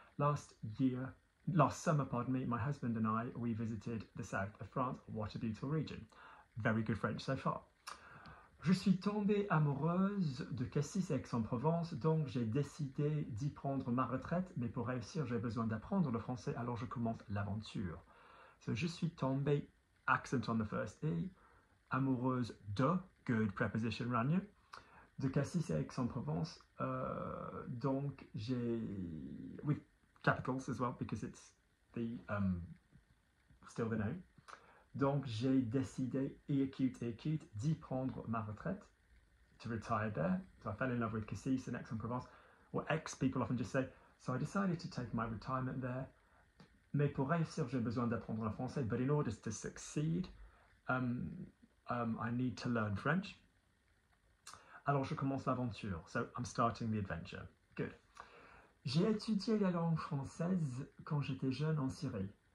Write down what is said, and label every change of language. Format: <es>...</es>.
<en>Last summer, pardon me, my husband and I, we visited the south of France. What a beautiful region. Very good French so far.</en> <fr>Je suis tombée amoureuse de Cassis, Aix-en-Provence, donc j'ai décidé d'y prendre ma retraite, mais pour réussir, j'ai besoin d'apprendre le français, alors je commence l'aventure. So, je suis tombée,</fr> <en>accent on the first E,</en> <fr>amoureuse de,</fr> <en>good preposition,</en> <fr>Ranya, de Cassis, Aix-en-Provence, donc j'ai... Oui.</fr> <en>Capitals as well, because it's still the name.</en> <fr>Donc, j'ai décidé,</fr> <en>E acute,</en> <fr>D'y prendre ma retraite.</fr> <en>to retire there. So I fell in love with Cassis in Aix-en-Provence. Or ex, people often just say, so I decided to take my retirement there.</en> <fr>Mais pour réussir, j'ai besoin d'apprendre le français.</fr> <en>But in order to succeed, I need to learn French.</en> <fr>Alors je commence l'aventure.</fr> <en>So I'm starting the adventure. Good.</en> <fr>J'ai étudié la langue française quand j'étais jeune en Syrie.</fr>